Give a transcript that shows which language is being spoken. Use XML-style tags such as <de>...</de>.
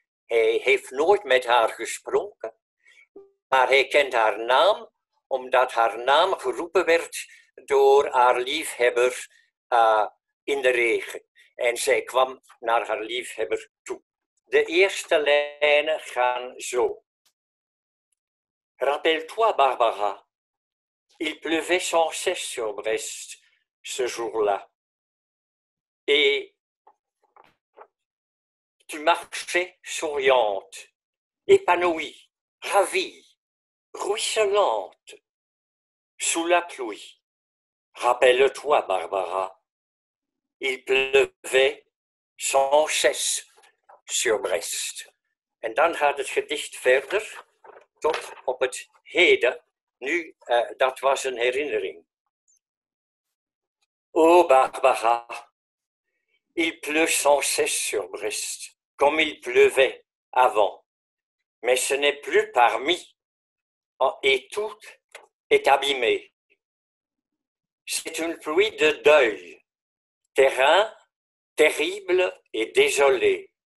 <nl>Hij heeft nooit met haar gesproken, maar hij kent haar naam, omdat haar naam geroepen werd door haar liefhebber in de regen. En zij kwam naar haar liefhebber toe. De eerste lijnen gaan zo.</nl> <fr>Rappelle-toi, Barbara. Il pleuvait sans cesse sur Brest ce jour-là. Et tu marchais souriante, épanouie, ravie, ruisselante, sous la pluie. Rappelle-toi, Barbara. Il pleuvait sans cesse sur Brest.</fr> <nl>En dan gaat het gedicht verder tot op het heden. Nu, dat was een herinnering.</nl> <fr>Ô Barbara, il pleut sans cesse sur Brest, comme il pleuvait avant. Mais ce n'est plus parmi, et tout est abîmé. C'est une pluie de deuil, terrain terrible et désolé.</fr>